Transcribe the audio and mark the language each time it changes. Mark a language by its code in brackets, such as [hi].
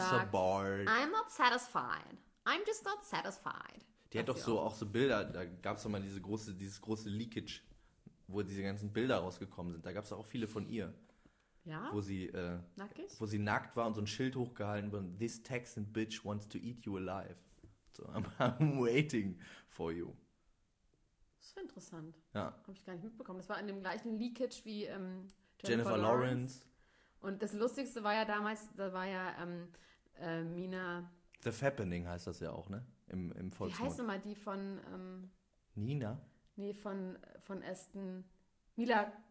[de] sagt, [en] so bored. I'm not satisfied. I'm just not satisfied. [de] Die hat doch so auch so Bilder, da gab es doch mal dieses große Leakage, wo diese ganzen Bilder rausgekommen sind. Da gab es auch viele von ihr. Ja? Wo sie nackt war und so ein Schild hochgehalten wurde. [en] This Texan bitch wants to eat you alive. So, I'm waiting for you. [de] Das war interessant. Ja. Habe ich gar nicht mitbekommen. Das war in dem gleichen Leakage wie Jennifer Lawrence. Und das Lustigste war ja damals, da war ja Mina... The Fappening heißt das ja auch, ne? Im Volksmund. Wie heißt nochmal die von... Nina? Nee, von Aston... Mila...